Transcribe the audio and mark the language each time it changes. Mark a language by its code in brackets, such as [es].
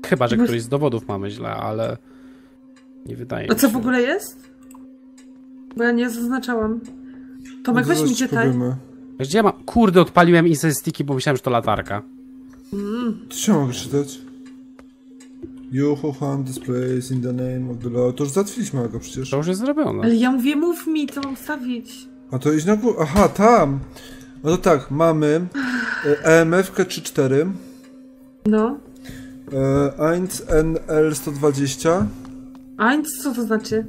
[pl] Chyba, że któryś z dowodów mamy źle, ale nie wydaje mi się. A co w ogóle jest? Bo ja nie zaznaczałam. Tomek, weź mi cię tak. Gdzie ja mam? Kurde, odpaliłem Incense Sticky, bo myślałem, że to latarka. To się mogę czytać. [en] You who hunt this place in the name of the Lord. [pl] To już załatwiliśmy go przecież. To już jest zrobione. Ale ja mówię, mów mi, co mam stawić. A to iść na górę. Aha, tam. No to tak, mamy EMF-kę 3-4. No. Eins NL 120. A nic, co to znaczy?